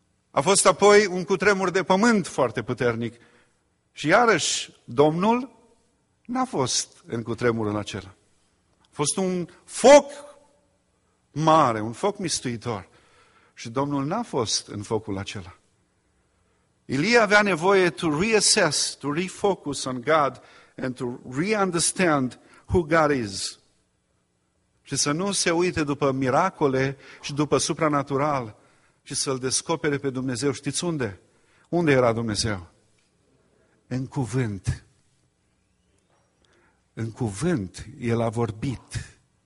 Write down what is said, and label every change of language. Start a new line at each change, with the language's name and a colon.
Romanian: A fost apoi un cutremur de pământ foarte puternic. Și iarăși Domnul n-a fost în cutremurul acela. A fost un foc mare, un foc mistuitor. Și Domnul n-a fost în focul acela. Ilie avea nevoie
English: to reassess, to refocus on God and to re-understand who God is.
Romanian: Și să nu se uite după miracole și după supranatural, ci să-L descopere pe Dumnezeu. Știți unde? Unde era Dumnezeu? În cuvânt. În cuvânt El a vorbit.